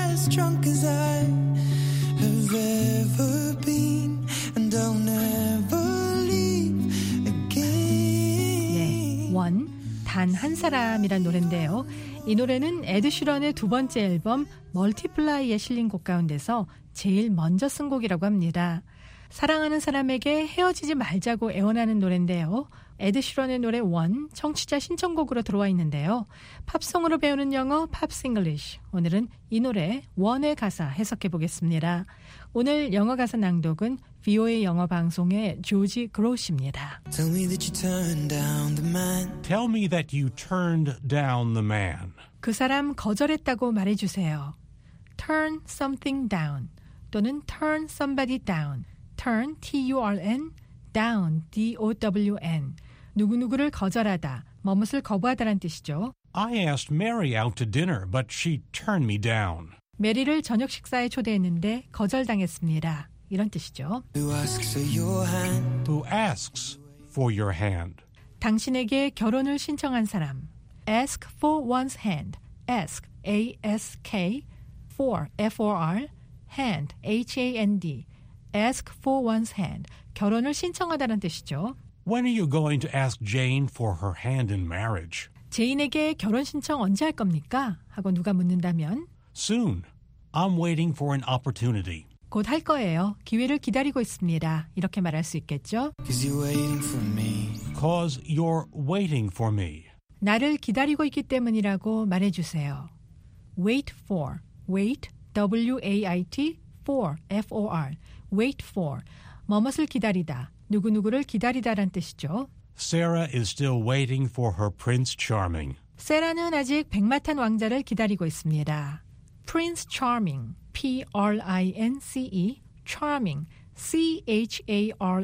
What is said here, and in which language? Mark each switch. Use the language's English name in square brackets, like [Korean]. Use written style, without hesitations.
[English] Drunk as I have ever been, and I'll never leave again. [Korean] 네, 단 한 사람이란 노래인데요. 이 노래는 에드 시런의 두 번째 앨범 멀티플라이에 실린 곡 가운데서 제일 먼저 쓴 곡이라고 합니다. 사랑하는 사람에게 헤어지지 말자고 애원하는 노래인데요. 에드 시런의 노래 원, 청취자 신청곡으로 들어와 있는데요. 팝송으로 배우는 영어 팝스 잉글리쉬. 오늘은 이 노래 원의 가사 해석해 보겠습니다. 오늘 영어 가사 낭독은 VOA 영어 방송의 조지 그로시입니다. [English] Tell me that you turned down the man. Tell me that you turned down the man. [Korean] 그 사람 거절했다고 말해 주세요. [English] Turn something down [Korean] 또는 [English] turn somebody down. Turn, T-U-R-N, down, D-O-W-N. [Korean] 누구누구를 거절하다, 머뭇을 거부하다란 뜻이죠. [English] I asked Mary out to dinner, but she turned me down. [Korean] 메리를 저녁 식사에 초대했는데 거절당했습니다. 이런 뜻이죠. [English] Who asks for your hand? Who asks for your hand? [Korean] 당신에게 결혼을 신청한 사람. [English] Ask for one's hand. Ask, A-S-K, for, F-O-R, hand, H-A-N-D. Ask for one's hand. [Korean] 결혼을 신청하다는 뜻이죠. [English] When are you going to ask Jane for her hand in marriage? [Korean] 제인에게 결혼 신청 언제 할 겁니까? 하고 누가 묻는다면 [English] Soon. I'm waiting for an opportunity. [Korean] 곧 할 거예요. 기회를 기다리고 있습니다. 이렇게 말할 수 있겠죠? [English] Because you're waiting for me. Because you're waiting for me. [Korean] 나를 기다리고 있기 때문이라고 말해 주세요. [English] Wait for. Wait. W-A-I-T. For. F-O-R. Wait for. [Korean] 뭐뭇을 기다리다. 누구누구를 기다리다란 뜻이죠. [English] Sarah is still waiting for her Prince Charming. [Korean] 세라는 아직 백마탄 왕자를 기다리고 있습니다. [English] Prince Charming, P-R-I-N-C-E, Charming, C-H-A-R-M-I-N-G.